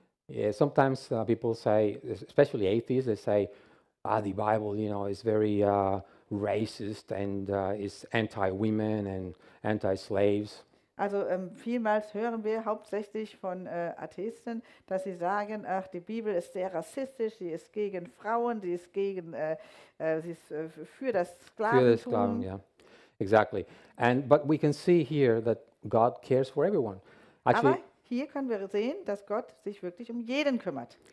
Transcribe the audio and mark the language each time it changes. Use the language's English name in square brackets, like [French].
[English] Yeah, sometimes people say, especially atheists, they say, ah, the Bible, you know, is very racist and is anti-women and anti-slaves. [German] Also vielmals hören wir hauptsächlich von Atheisten, dass sie sagen, ach, die Bibel ist sehr rassistisch, sie ist gegen Frauen, sie ist gegen sie ist für das Für das Sklaven, Sklaventum. [English] yeah. Exactly. And but we can see here that God cares for everyone. [German] Aber [English] Actually, [German] hier können wir sehen, dass Gott sich wirklich um jeden kümmert.